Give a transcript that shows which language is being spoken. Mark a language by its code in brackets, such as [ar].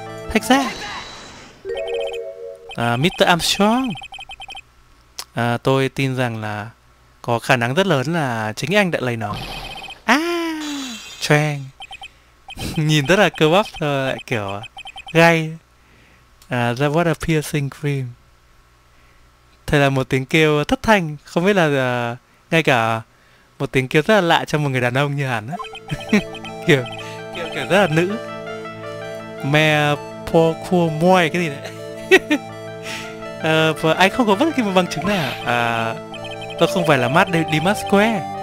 [vi] Thách ra Mr. Armstrong. Tôi tin rằng là có khả năng rất lớn là chính anh đã lấy nó. Trang. Nhìn rất là cơ bắp thôi, lại kiểu gay. [en] That was a piercing scream. [vi] Thật là một tiếng kêu thất thanh. Không biết là ngay cả một tiếng kêu rất là lạ cho một người đàn ông như hẳn á. kiểu rất là nữ. Me poor cool moi cái gì đấy. Và anh không có bất kỳ một bằng chứng nào. Tôi không phải là Matt Demas Square.